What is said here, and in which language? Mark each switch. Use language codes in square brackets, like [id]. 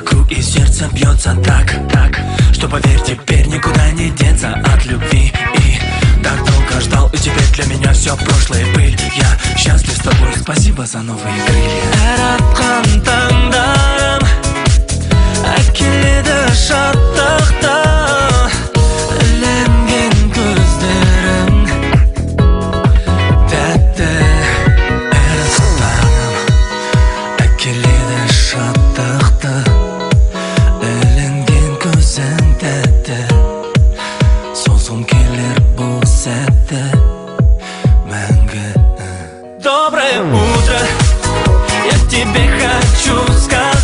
[ru] И сердце бьется так, так, что поверь, теперь никуда не деться от любви. И так долго ждал, и теперь для меня все прошлое пыль. Я счастлив с тобой, спасибо за новые крылья. [kk] Әр атқан таңдарым әкеледі шаттықты, үлінген көздерің тәтті. Әр атқан таңдарым әкеледі шаттықты, созым келер бұл сәтті мәңгі. [ru] Доброе утро, я тебе хочу сказать.